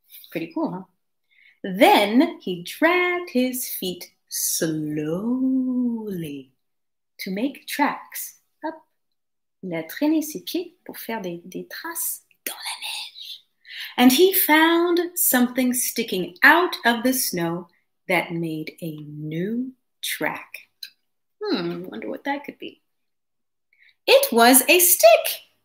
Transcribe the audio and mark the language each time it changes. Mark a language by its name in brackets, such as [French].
[English] Pretty cool, huh? Then he dragged his feet slowly to make tracks. Hop. [French] Il a traîné ses pieds pour faire des traces. [English] And he found something sticking out of the snow that made a new track. Wonder what that could be. It was a stick.